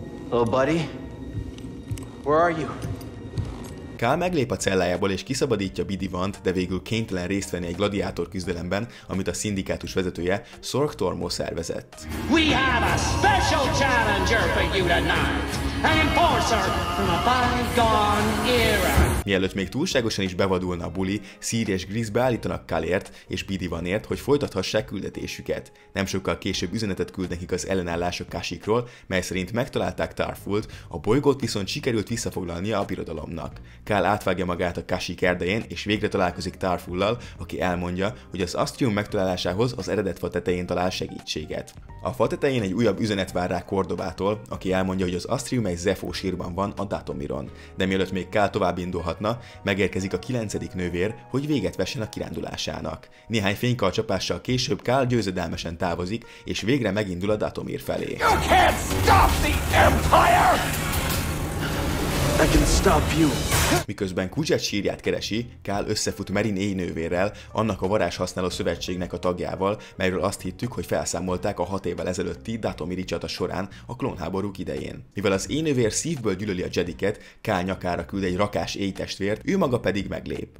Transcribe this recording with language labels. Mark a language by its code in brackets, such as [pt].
[en] Hello, buddy. Where are you? [hu] Cal meglép a cellájából és kiszabadítja Bidivant, de végül kénytelen részt venni egy gladiátor küzdelemben, amit a szindikátus vezetője Sork Tormo szervezett. [en] We have a special challenger for you tonight. An enforcer from a bygone era. [hu] Mielőtt még túlságosan is bevadulna a buli, Szír és Grizz beállítanak Calért és Bidivanért, hogy folytathassák küldetésüket. Nem sokkal később üzenetet küld nekik az ellenállások Kashyykról, mely szerint megtalálták Tarfult, a bolygót viszont sikerült visszafoglalnia a birodalomnak. Cal átvágja magát a Kashyyk erdején, és végre találkozik Tarfullal, aki elmondja, hogy az Astrium megtalálásához az eredet fa tetején talál segítséget. A fa tetején egy újabb üzenet vár rá Cordovától, aki elmondja, hogy az Astrium egy Zepho sírban van a Datomiron. De mielőtt még Cal tovább indulhatna, megérkezik a 9. nővér, hogy véget vessen a kirándulásának. Néhány fénykal csapással később Cal győzedelmesen távozik, és végre megindul a Datomir felé. [en] You can't stop the Empire! I can stop you. [hu] Miközben Kuzset sírját keresi, Cal összefut Merin éj nővérrel, annak a varázshasználó szövetségnek a tagjával, melyről azt hittük, hogy felszámolták a 6 évvel ezelőtti Datomiri csata során a klónháborúk idején. Mivel az éj nővér szívből gyűlöli a Jediket, Cal nyakára küld egy rakás éj testvért, ő maga pedig meglép.